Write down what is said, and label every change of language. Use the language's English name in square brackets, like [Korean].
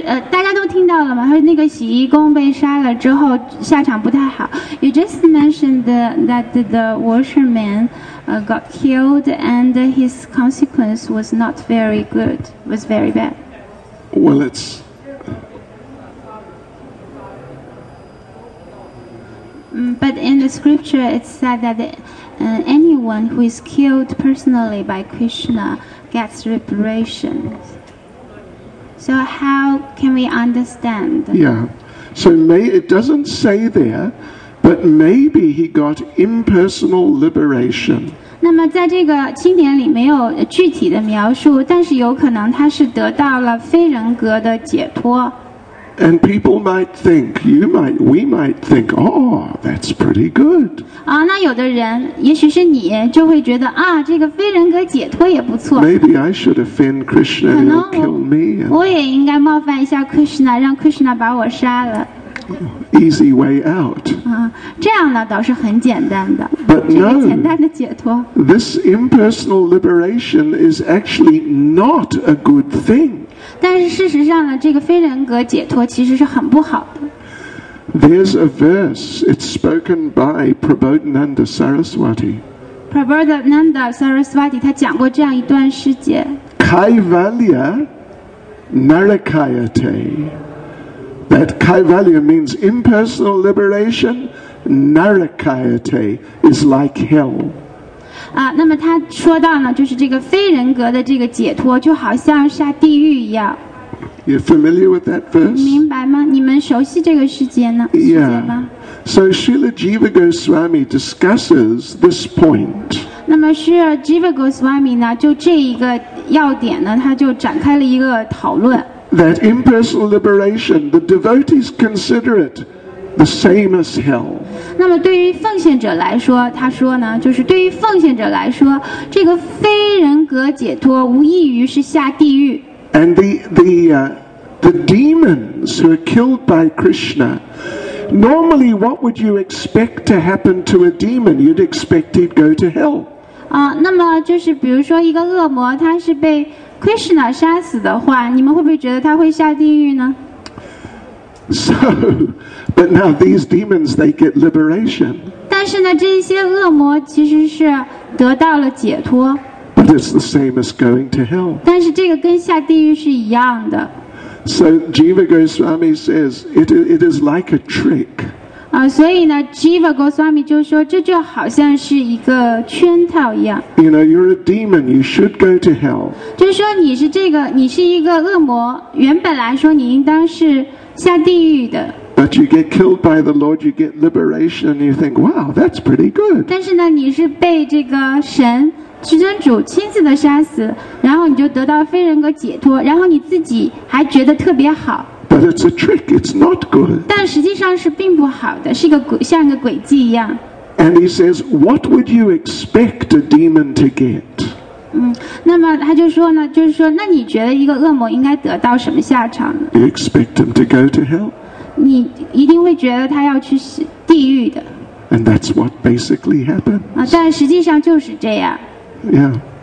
[Chinese] 大家都听到了吗？他说那个洗衣工被杀了之后下场不太好。 [English] You just mentioned that the washerman got killed and his consequence was not very good, was very bad. Well, it's... But in the scripture, it said that anyone who is killed personally by Krishna gets reparations. So how can we understand? Yeah. So it doesn't say there But maybe he got impersonal liberation. [Chinese] 那么在这个经典里没有具体的描述，但是有可能他是得到了非人格的解脱。 [English] And people might think, you might, we might think, oh, that's pretty good. [Chinese] 啊，那有的人，也许是你，就会觉得啊，这个非人格解脱也不错。 [English] Maybe I should offend Krishna and kill me. [Chinese] 我也应该冒犯一下 Krishna， 让 Krishna 把我杀了。 [English] Easy way out. [Chinese] 这样呢倒是很简单的。 [English] But no, [Chinese] 这个简单的解脱。 [English] This impersonal liberation is actually not a good thing. [Chinese] 但是事实上呢，这个非人格解脱其实是很不好的。 [English] There's a verse. It's spoken by Prabodhananda Saraswati. [Chinese] Prabodhananda Saraswati 他讲过这样一段诗节。 [Sanskrit] Kaivalya Narakayate. [English] That Kaivalya means impersonal liberation. Narakayate is like hell. [Chinese] 啊，那么他说到呢，就是这个非人格的这个解脱，就好像下地狱一样。 [English] You're familiar with that verse? [Chinese] 明白吗？你们熟悉这个世界呢？ [English] Yeah. [Chinese] 世界吗？ [English] So Srila Jiva Goswami discusses this point. [Chinese] 那么Srila Jiva Goswami呢，就这一个要点呢，他就展开了一个讨论。 [English] That impersonal liberation, the devotees consider it the same as hell. [Chinese] 那么对于奉献者来说，他说呢，就是对于奉献者来说，这个非人格解脱无异于是下地狱。 [English] And the demons who are killed by Krishna, normally what would you expect to happen to a demon? You'd expect he'd go to hell. [Chinese] 啊，那么就是比如说一个恶魔，他是被Krishna 杀死的话，你们会不会觉得他会下地狱呢？ [English] So, but now these demons they get liberation. [Chinese] 但是呢，这些恶魔其实是得到了解脱。 [English] But it's the same as going to hell. [Chinese] 但是这个跟下地狱是一样的。 [English] So Jiva Goswami says it is like a trick. [Chinese] 啊，所以呢 ，Jiva Goswami 就说这就好像是一个圈套一样。 [English] You know, you're a demon. You should go to hell. [Chinese] 就是说你是这个，你是一个恶魔。原本来说你应当是下地狱的。 [English] But you get killed by the Lord, you get liberation, and you think, wow, that's pretty good. [Chinese] 但是呢，你是被这个神。至尊主亲自的杀死，然后你就得到非人格解脱，然后你自己还觉得特别好。 [English] But it's a trick. It's not good. [Chinese] 但实际上是并不好的，是一个像一个诡计一样。 [English] And he says, "What would you expect a demon to get?" [Chinese] 那么他就说呢，就是说，那你觉得一个恶魔应该得到什么下场呢 [English] ？You expect him to go to hell. [Chinese] 你一定会觉得他要去地狱的。 [English] And that's what basically happens. [Chinese] 但实际上就是这样。 [English] Yeah.